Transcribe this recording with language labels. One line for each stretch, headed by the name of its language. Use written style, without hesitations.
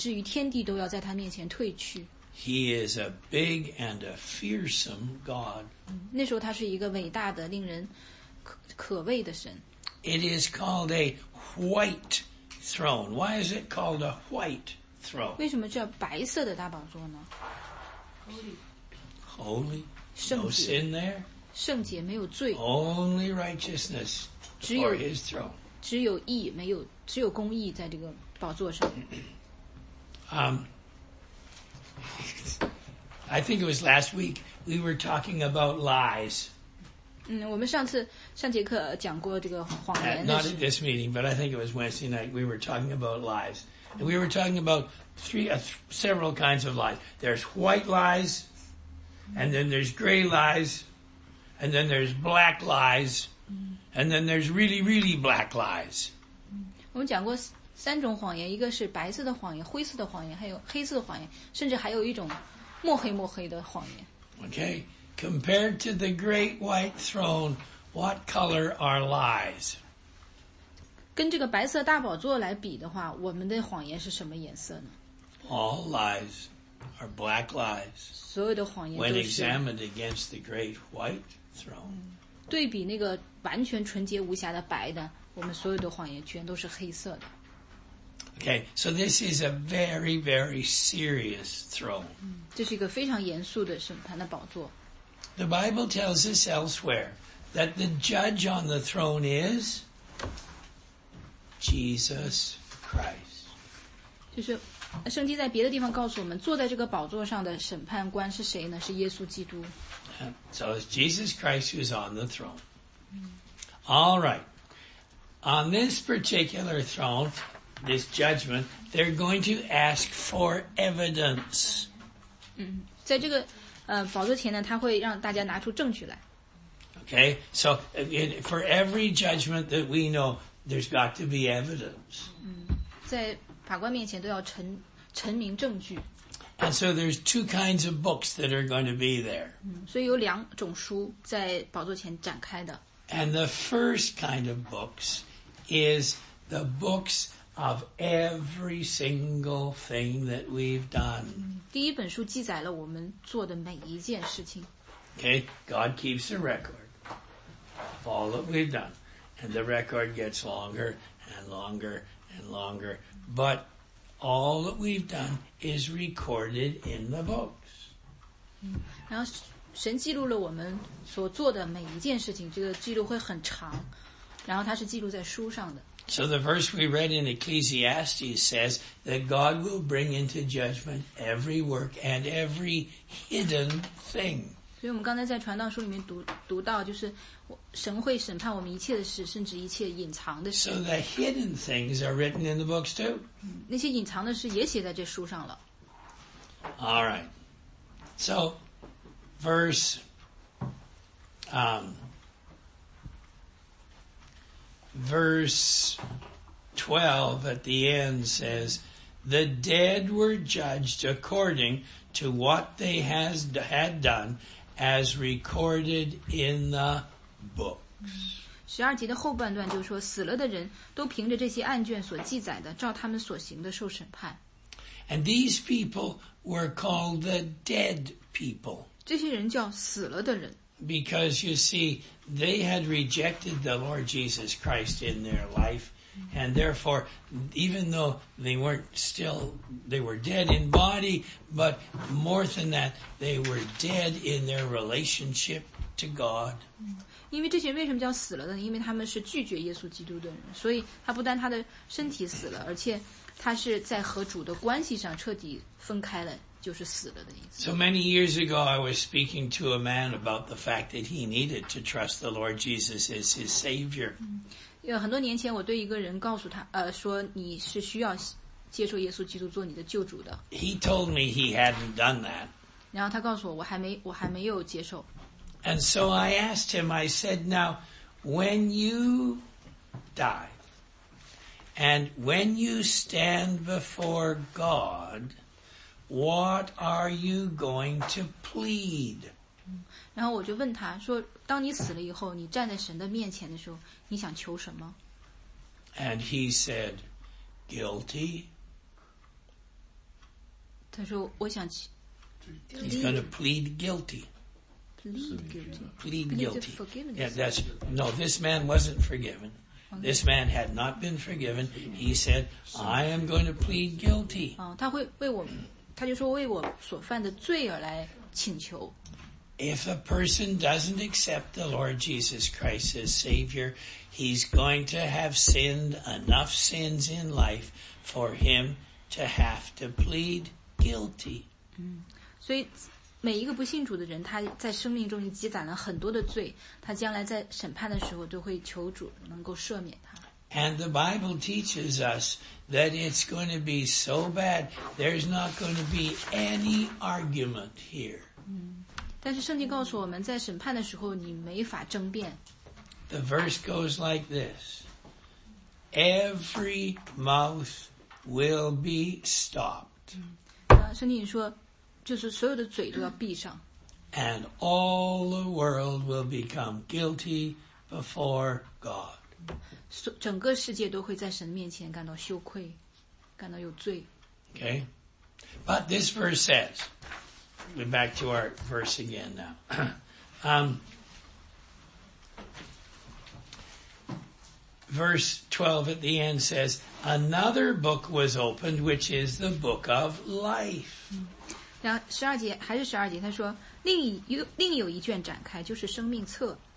Chinese: 然后他坐得特别高，他特别的伟大，以至于天地都要在他面前退去。
English: He is a big and a fearsome God.
Chinese: 那时候他是一个伟大的，令人可畏的神。
English: It is called a white throne. Why is it called a white throne?
Chinese: 为什么叫白色的大宝座呢?
English: Holy. Holy. No sin there.
Chinese: 圣洁没有罪。
English: Only righteousness for his throne.
Chinese: 只有义，没有，只有公义在这个宝座上。
English: I think it was last week, we were talking about lies.
Chinese: 嗯，我们上次上节课讲过这个谎言。
English: Not at this meeting, but I think it was Wednesday night. We were talking about lies, and we were talking about several kinds of lies. There's white lies, and then there's gray lies, and then there's black lies, and then there's really, really black lies.
Chinese: 我们讲过三种谎言，一个是白色的谎言、灰色的谎言，还有黑色的谎言，甚至还有一种墨黑墨黑的谎言。
English: Okay. Compared to the great white throne, what color are lies?
Chinese: 跟这个白色大宝座来比的话，我们的谎言是什么颜色呢？
English: All lies are black lies.
Chinese: 所有的谎言都是。
English: When examined against the great white throne.
Chinese: 对比那个完全纯洁无瑕的白的，我们所有的谎言全都是黑色的。
English: Okay, so this is a very, very serious throne.
Chinese: 这是一个非常严肃的审判的宝座。
English: The Bible tells us elsewhere that the judge on the throne is Jesus Christ.
Chinese: 就是圣经在别的地方告诉我们，坐在这个宝座上的审判官是谁呢？是耶稣基督。
English: So it's Jesus Christ who's on the throne. All right. On this particular throne, this judgment, they're going to ask for evidence.
Chinese: 嗯，在这个。宝座前呢，他会让大家拿出证据来。
English: Okay, so for every judgment that we know, there's got to be evidence.
Chinese: 嗯，在法官面前都要陈明证据。
English: And so there's two kinds of books that are going to be there.
Chinese: 嗯，所以有两种书在宝座前展开的。
English: And the first kind of books is the books of every single thing that we've done.
Chinese: 第一本书记载了我们做的每一件事情。
English: Okay, God keeps a record of all that we've done. And the record gets longer and longer and longer. But all that we've done is recorded in the books.
Chinese: 嗯，然后神记录了我们所做的每一件事情，这个记录会很长，然后它是记录在书上的。
English: So the verse we read in Ecclesiastes says that God will bring into judgment every work and every hidden thing.
Chinese: 所以我们刚才在传道书里面读到，就是神会审判我们一切的事，甚至一切隐藏的事。
English: So the hidden things are written in the books too.
Chinese: 那些隐藏的事也写在这书上了。
English: All right. So, verse 12 at the end says, the dead were judged according to what they had done as recorded in the books.
Chinese: 十二节的后半段就说，死了的人都凭着这些案卷所记载的，照他们所行的受审判。
English: And these people were called the dead people.
Chinese: 这些人叫死了的人。
English: Because you see, they had rejected the Lord Jesus Christ in their life, and therefore, even though they weren't still, they were dead in body, but more than that, they were dead in their relationship to God.
Chinese: 因为这些人为什么叫死了的呢？因为他们是拒绝耶稣基督的人，所以他不但他的身体死了，而且他是在和主的关系上彻底分开了。
English: So many years ago, I was speaking to a man about the fact that he needed to trust the Lord Jesus as his Savior.
Chinese: 很多年前我对一个人告诉他，说你是需要接受耶稣基督做你的救主的。
English: He told me he hadn't done that.
Chinese: 然后他告诉我，我还没有接受。
English: And so I asked him, I said, now, when you die, and when you stand before God,What are you going to plead?
Chinese: 然后我就问他说，当你死了以后，你站在神的面前的时候，你想求什么？
English: And he said, guilty.
Chinese: 他说我想起。
English: He's going to plead guilty. Plead guilty. Yeah, that's, no, this man wasn't forgiven. This man had not been forgiven. He said, I am going to plead guilty.
Chinese: 他会为我们。他就说为我所犯的罪而来请求。
English: If a person doesn't accept the Lord Jesus Christ as Savior, he's going to have sinned enough sins in life for him to have to plead guilty.
Chinese: 所以每一个不信主的人，他在生命中积攒了很多的罪，他将来在审判的时候都会求主能够赦免他。
English: And the Bible teaches us that it's going to be so bad, there's not going to be any argument here.
Chinese: 但是圣经告诉我们，在审判的时候你没法争辩。
English: The verse goes like this. Every mouth will be stopped.
Chinese: 圣经说，就是所有的嘴都要闭上。
English: And all the world will become guilty before God.
Chinese: 整个世界都会在神面前感到羞愧，感到有罪。
English: Okay, but this verse says, we're back to our verse again now. verse 12 at the end says, another book was opened, which is the book of life.
Chinese: 然后十二节还是十二节，他说另有一卷展开，就是生命册。